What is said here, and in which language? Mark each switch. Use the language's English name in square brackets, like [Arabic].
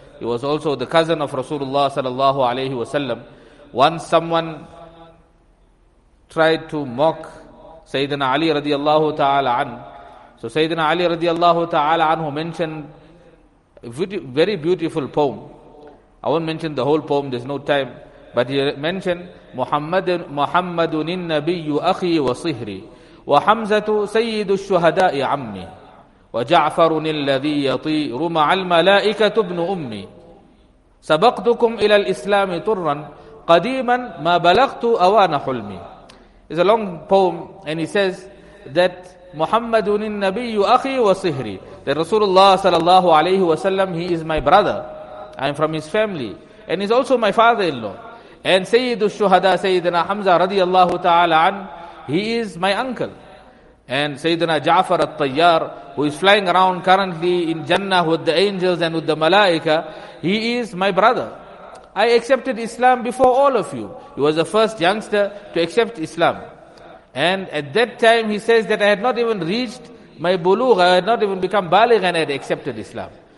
[English] He was also the cousin of Rasulullah sallallahu alayhi wa sallam. Once someone tried to mock Sayyidina Ali radiallahu ta'ala anhu. So Sayyidina Ali radiallahu ta'ala anhu mentioned a very beautiful poem. I won't mention the whole poem, there's no time. But he mentioned, [Arabic] Muhammadun innabiyyu akhi wa sihri, wa hamzatu sayyidu shuhada'i ammi, وجعفر الذي يطير مع الملائكة ابن أمي، سبقتكم إلى الإسلام طرا قديما ما بلغت أوان حلمي. [English] It's a long poem, and he says that [Arabic] محمد النبي أخي وصهري. [English] That Rasulullah sallallahu alayhi wa sallam, he is my brother, I am from his family, and he's also my father-in-law. And [Arabic] سيد الشهداء سيدنا حمزة رضي الله تعالى عنه, [English] he is my uncle. And Sayyidina Ja'far al-Tayyar, who is flying around currently in Jannah with the angels and with the Malaika, he is my brother. I accepted Islam before all of you. He was the first youngster to accept Islam. And at that time, he says that I had not even reached my bulugh, I had not even become baligh, and I had accepted Islam.